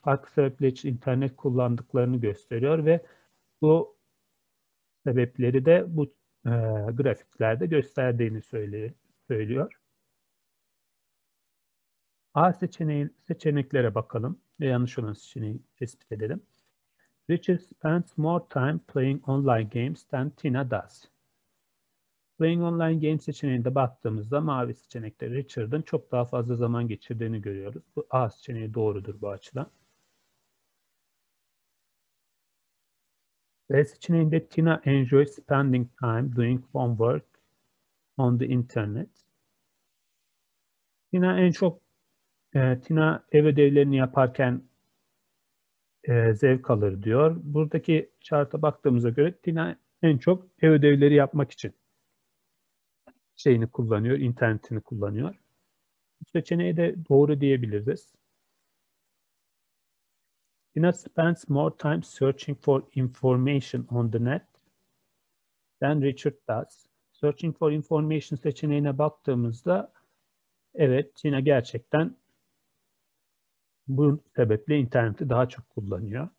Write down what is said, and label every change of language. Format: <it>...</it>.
<tr>Farklı sebepler için internet kullandıklarını gösteriyor ve bu sebepleri de bu grafiklerde gösterdiğini söylüyor. A seçeneklere bakalım ve yanlış olan seçeneği tespit edelim.</tr> <en>Richard spends more time playing online games than Tina does.</en> <tr>Playing Online Game seçeneğinde baktığımızda mavi seçenekte Richard'ın çok daha fazla zaman geçirdiğini görüyoruz. Bu A seçeneği doğrudur bu açıdan. B seçeneğinde</tr> <en>Tina enjoys spending time doing homework on the internet.</en> <tr>Tina ev ödevlerini yaparken zevk alır diyor. Buradaki çarta baktığımıza göre Tina en çok ev ödevleri yapmak için şeyini kullanıyor, internetini kullanıyor. Bu seçeneği de doğru diyebiliriz.</tr> <en>Tina spends more time searching for information on the net than Richard does.</en> <tr>Searching for information seçeneğine baktığımızda evet, Tina gerçekten bu sebeple interneti daha çok kullanıyor.</tr>